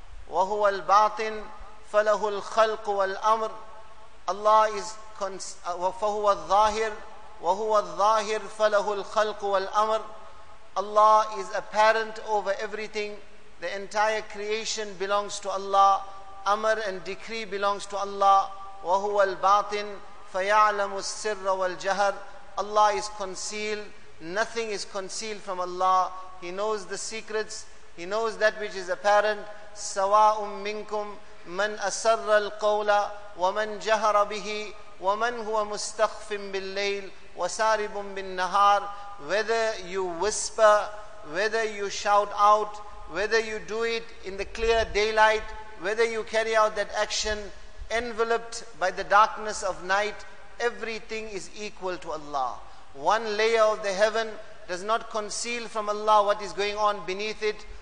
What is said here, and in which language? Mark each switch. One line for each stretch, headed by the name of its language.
Arabic: وَهُوَ الْبَاطِنِ فَلَهُ الْخَلْقُ وَالْأَمْرِ
English: Allah is
Arabic: فَهُوَ الظَّاهِرِ وَهُوَ الظَّاهِرِ فَلَهُ الْخَلْقُ وَالْأَمْرِ
English: Allah is apparent over everything. The entire creation belongs to Allah. Amr and decree belongs to Allah.
Arabic: وَهُوَ الْبَاطِنِ فَيَعْلَمُ السِّرَّ وَالْجَهَرِ
English: Allah is concealed. Nothing is concealed from Allah. He knows the secrets. He knows that which is apparent.
Arabic: سَوَاءٌ مِّنْكُمْ من أسر القول ومن جهر به ومن هو مستخف بالليل وسارب بالنهار.
English: Whether you whisper, whether you shout out, whether you do it in the clear daylight, whether you carry out that action enveloped by the darkness of night, everything is equal to Allah. One layer of the heaven does not conceal from Allah what is going on beneath it.